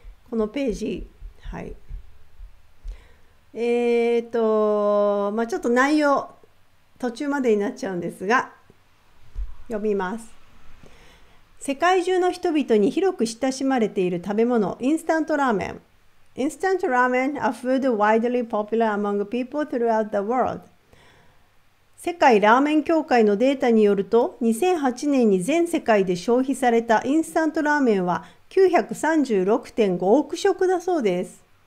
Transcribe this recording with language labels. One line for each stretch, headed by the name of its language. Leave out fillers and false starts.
Japanese: このページ、はい。まあ、ちょっと内容、途中までになっちゃうんですが、読みます。世界中の人々に広く親しまれている食べ物、インスタントラーメン。
English: Instant ramen, a food widely popular among people throughout the world.
Japanese: 世界ラーメン協会のデータによると、2008年に全世界で消費されたインスタントラーメンは 936.5 億食だそうです。